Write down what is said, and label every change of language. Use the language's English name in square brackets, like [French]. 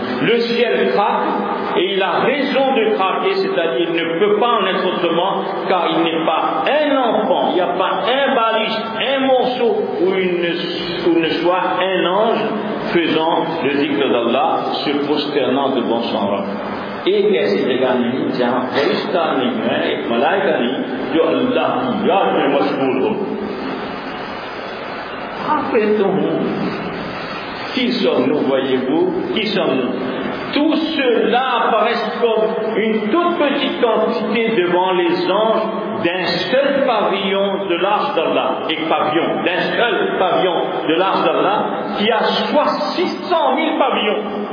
[French] Le ciel craque, et il a raison de craquer, c'est-à-dire, il ne peut pas en être autrement, car il n'est pas un enfant, il n'y a pas un baliche, un morceau, où il ne soit un ange faisant le dhikr d'Allah, se prosternant devant son roi. [Urdu] ایک ایسی جگہ نہیں جہاں فرشتہ نہیں ہے، ایک ملائکہ نہیں جو اللہ کی یاد میں مشغول ہو. [French] Qui sommes-nous, voyez-vous? Qui sommes-nous? Tous ceux-là apparaissent comme une toute petite quantité devant les anges d'un seul pavillon de l'arche d'Allah. Et pavillon, d'un seul pavillon de l'arche d'Allah qui a 600 000 pavillons.